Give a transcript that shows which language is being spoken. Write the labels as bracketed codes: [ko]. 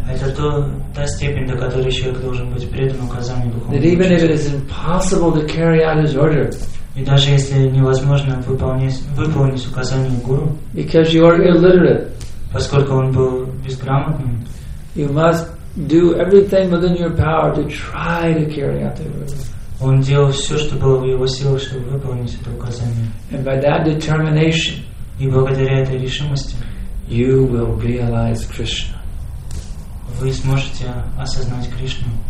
[ru] Это та степень, до которой человек должен быть предан указанию духовного. [en] That even if it is impossible to carry out his order. [ru] И даже если невозможно выполнить указание гуру. [en] Because you are illiterate. [ru] Поскольку он был безграмотным. [en] You must do everything within your power to try to carry out the order. [ru] Он делал все, что было в его силах, чтобы выполнить это указание. [en] And by that determination, [ru] и благодаря этой решимости, [en] you will realize Krishna. [ru] Вы сможете осознать Кришну.